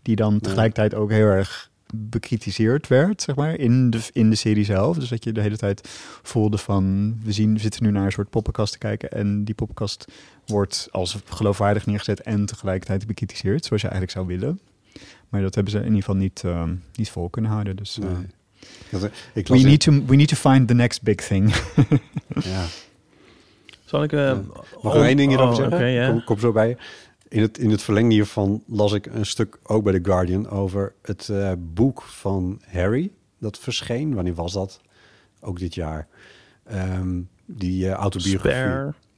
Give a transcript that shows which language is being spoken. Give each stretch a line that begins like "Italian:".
Dutch: Die dan tegelijkertijd ook heel erg bekritiseerd werd, zeg maar, in de serie zelf. Dus dat je de hele tijd voelde van, we zitten nu naar een soort poppenkast te kijken en die poppenkast wordt als geloofwaardig neergezet en tegelijkertijd bekritiseerd, zoals je eigenlijk zou willen. Maar dat hebben ze in ieder geval niet vol kunnen houden.
English: Dus, we need to find the next big thing.
Dutch: Ja. Zal ik Mag ik één ding hierover zeggen? Okay, yeah. Kom zo bij je. In het verlengde hiervan las ik een stuk ook bij The Guardian over het boek van Harry dat verscheen. Wanneer was dat? Ook dit jaar. Die autobiografie.